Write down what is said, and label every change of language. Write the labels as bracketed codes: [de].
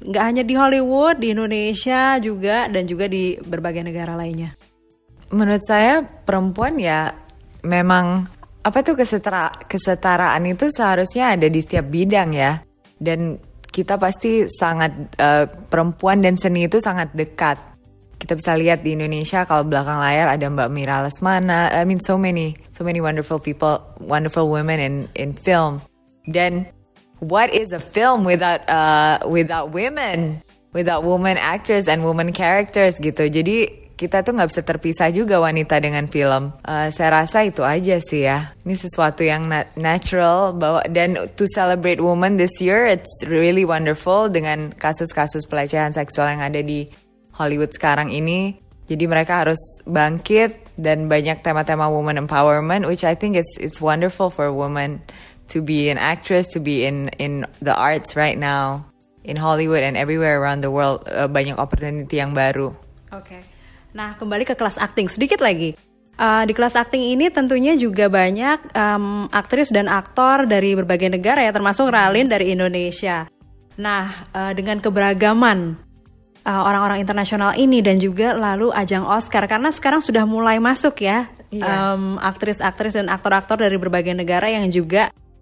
[id] Gak hanya di Hollywood, di Indonesia juga, dan juga di berbagai negara lainnya. Menurut saya perempuan ya memang apa tuh kesetaraan itu seharusnya ada di setiap bidang ya. Dan kita pasti sangat perempuan dan seni itu sangat dekat. Kita bisa lihat di Indonesia kalau belakang layar ada Mbak Mira Lesmana. [en] I mean so many wonderful people, wonderful women in film. Then what is a film without women? Without women actors and women characters gitu. [id] Jadi kita tuh gak bisa terpisah juga wanita dengan film. Saya rasa itu aja sih ya. Ini sesuatu yang natural. Dan [en] to celebrate women this year, it's really wonderful [id] dengan kasus-kasus pelecehan seksual yang ada di Hollywood sekarang ini. Jadi mereka harus bangkit dan banyak tema-tema [en] women empowerment, which I think it's wonderful for women to be an actress, to be in the arts right now, in Hollywood and everywhere around the world. [id] Banyak opportunity yang baru. Okay. Nah, kembali ke kelas acting sedikit lagi. Di kelas acting ini tentunya juga banyak aktris dan aktor dari berbagai negara ya, termasuk Ralin dari Indonesia. Nah, dengan keberagaman orang-orang internasional ini dan juga lalu ajang Oscar, karena sekarang sudah mulai masuk ya, aktris-aktris dan aktor-aktor dari berbagai negara yang juga